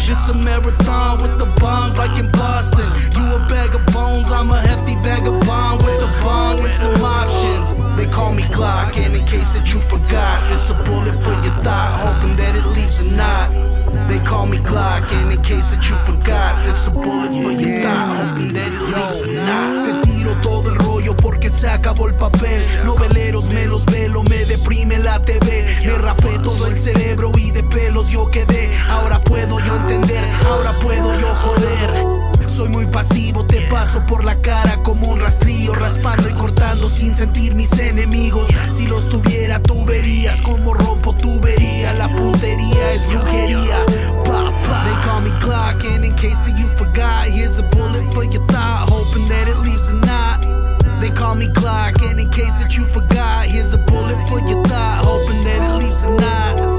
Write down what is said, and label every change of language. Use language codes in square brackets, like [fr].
[en] This a marathon with the bombs like in Boston. You a bag of bones, I'm a hefty vagabond with a bond and some options. They call me Glock, and in case that you forgot, it's a bullet for your thigh, hoping that it leaves a knot. They call me Glock, and in case that you forgot, it's a bullet for your thigh, hoping that it leaves a knot. [es] Te tiro todo el rollo porque se acabó el papel. Noveleros me los velo, me deprime la TV. Me rapé todo el cerebro y de pelos yo quedé. Ahora puedo yo entender, ahora puedo yo joder. Soy muy pasivo, te paso por la cara como un rastrillo, raspando y cortando sin sentir mis enemigos. Si los tuviera, tú verías como rompo tubería. La puntería es brujería, pa, pa. [en] They call me Glock, and in case that you forgot, here's a bullet for your thigh, hoping that it leaves a knot. They call me Glock, and in case that you forgot, here's a bullet for your thigh, hoping that it leaves a knot.